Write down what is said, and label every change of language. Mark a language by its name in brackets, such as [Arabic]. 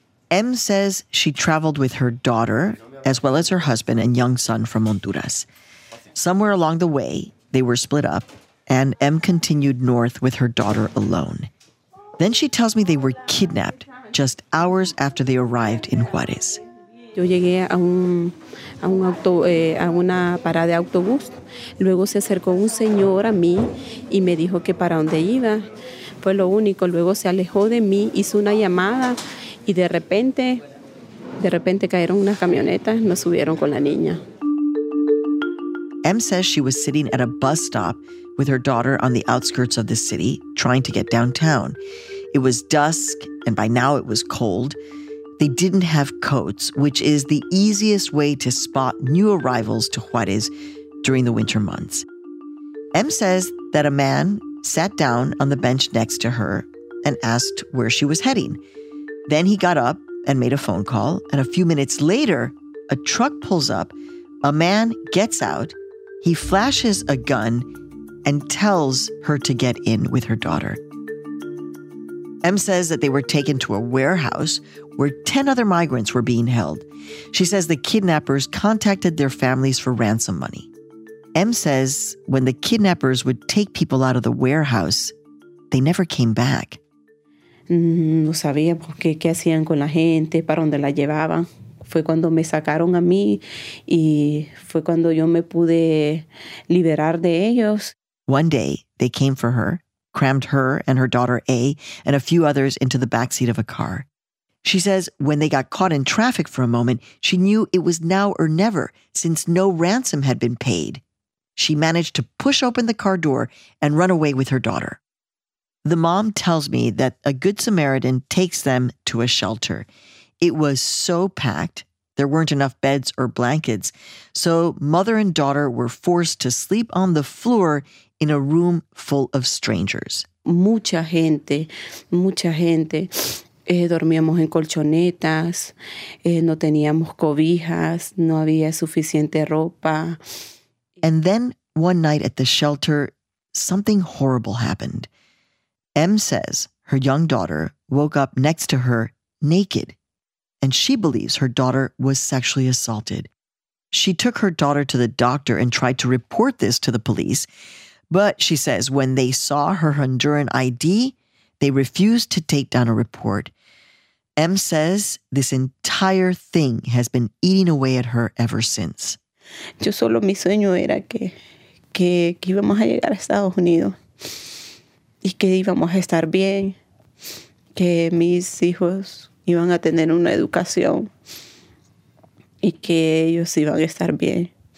[English] M says she traveled with her daughter, as well as her husband and young son from Honduras. Somewhere along the way, they were split up, and M continued north with her daughter alone. Then she tells me they were kidnapped just hours after they arrived in Juárez. [Spanish] Yo llegué a una parada de autobús. Luego se acercó un señor a mí y me dijo que para dónde iba. Fue lo único. Luego se alejó de mí, hizo una llamada y de repente cayeron unas camionetas, nos subieron con la niña. [English] M says she was sitting at a bus stop with her daughter on the outskirts of the city, trying to get downtown. It was dusk, and by now it was cold. They didn't have coats, which is the easiest way to spot new arrivals to Juárez during the winter months. M says that a man sat down on the bench next to her and asked where she was heading. Then he got up and made a phone call. And a few minutes later, a truck pulls up. A man gets out. He flashes a gun and tells her to get in with her daughter. M says that they were taken to a warehouse where 10 other migrants were being held. She says the kidnappers contacted their families for ransom money. M says when the kidnappers would take people out of the warehouse, they never came back. [Spanish] No sabía por qué hacían con la gente, para dónde la llevaban. Fue cuando me sacaron a mí y fue cuando yo me pude liberar de ellos. [English] One day, they came for her, crammed her and her daughter A and a few others into the backseat of a car. She says when they got caught in traffic for a moment, she knew it was now or never since no ransom had been paid. She managed to push open the car door and run away with her daughter. The mom tells me that a Good Samaritan takes them to a shelter. It was so packed, there weren't enough beds or blankets, so mother and daughter were forced to sleep on the floor in a room full of strangers. [Spanish] Mucha gente, mucha gente. Dormíamos en colchonetas, no teníamos cobijas, no había suficiente ropa. [English] And then one night at the shelter, something horrible happened. M says her young daughter woke up next to her naked, and she believes her daughter was sexually assaulted. She took her daughter to the doctor and tried to report this to the police, but she says when they saw her Honduran ID, they refused to take down a report. M says this entire thing has been eating away at her ever since. [Spanish] Yo solo mi sueño era que íbamos a llegar a Estados Unidos. Y que íbamos a estar bien, que mis hijos iban a tener una educación y que ellos iban a estar bien.